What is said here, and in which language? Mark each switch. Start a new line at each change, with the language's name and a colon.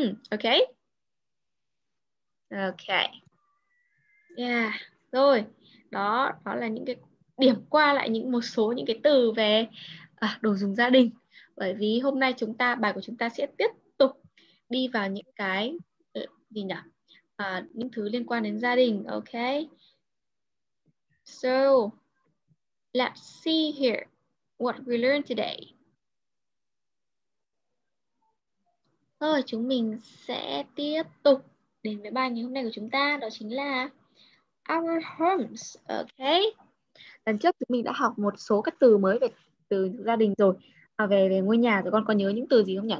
Vietnamese: Okay. Okay. Yeah. Rồi. Đó là những cái điểm qua lại những một số những cái từ về đồ dùng gia đình. Bởi vì hôm nay chúng ta bài của chúng ta sẽ tiếp tục đi vào những cái gì nhỉ? Những thứ liên quan đến gia đình. Okay.
English: So, let's see here what we learned today.
Vietnamese: Thôi, chúng mình sẽ tiếp tục đến với bài ngày hôm nay của chúng ta, đó chính là our homes. Okay. Lần trước chúng mình đã học một số các từ mới về từ gia đình rồi, về ngôi nhà rồi. Con có nhớ những từ gì không nhỉ?